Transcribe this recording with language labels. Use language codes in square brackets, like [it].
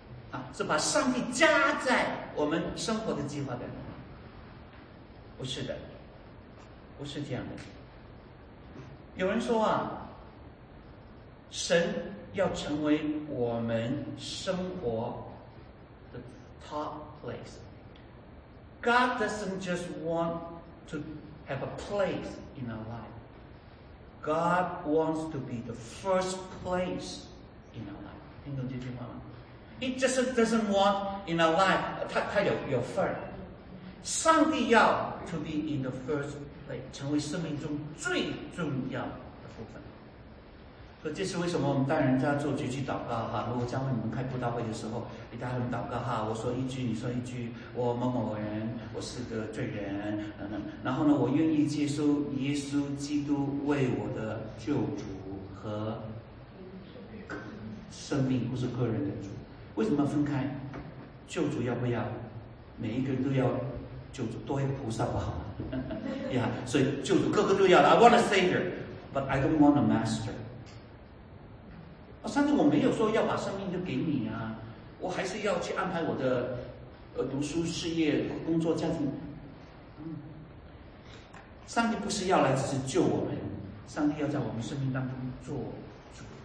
[zh] 啊，是把上帝加在我们生活的计划的人。不是的，不是这样的。有人说啊，神要成为我们生活的 [en] top place。 God doesn't just want to have a place in our life. God wants to be the first place in our life. [zh] 听懂这句话吗？ [en] He just doesn't want in our life. [zh] 他有份。上帝要 [en] to be in the first place， [zh] 成为生命中最重要的部分。所以这是为什么我们大人在做几句祷告哈。如果教会你们开布道会的时候，你大人祷告哈，我说一句，你说一句，我某某人，我是个罪人，等等。然后呢，我愿意接受耶稣基督为我的救主和生命或是个人的主。为什么分开？救主要不要？每一个人都要。救主多一个菩萨不好yeah, 所以救主各个都要的。 [en] I want a savior but I don't want a master。 [zh] 上帝我没有说要把生命都给你啊，我还是要去安排我的读书事业工作家庭。上帝不是要来只是救我们，上帝要在我们生命当中做主。